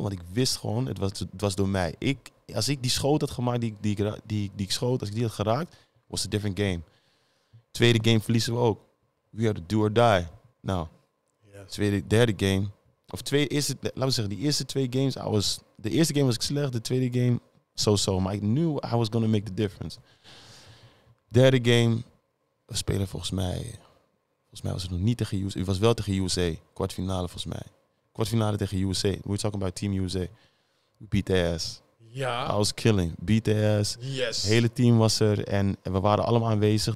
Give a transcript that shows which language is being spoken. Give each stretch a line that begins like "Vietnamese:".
Dutch: Want ik wist gewoon, het was door mij. Als ik die schoot had gemaakt als ik die had geraakt, was een different game. Tweede game verliezen we ook.
English: We had to do or die.
Dutch: Nou, yes. Derde game. Of twee eerste, laten we zeggen, die eerste twee games, de eerste game was ik slecht, de tweede game, so-so. Maar ik
English: knew I was going to make the difference.
Dutch: Derde game, we spelen volgens mij was het nog niet tegen USA. Het was wel tegen USA, kwartfinale volgens mij. Kwartfinale tegen USA,
English: we're talking about Team USA. We beat the ass.
Dutch: Ja.
English: I was killing, beat the ass. Yes.
Dutch: Hele team was er en we waren allemaal aanwezig.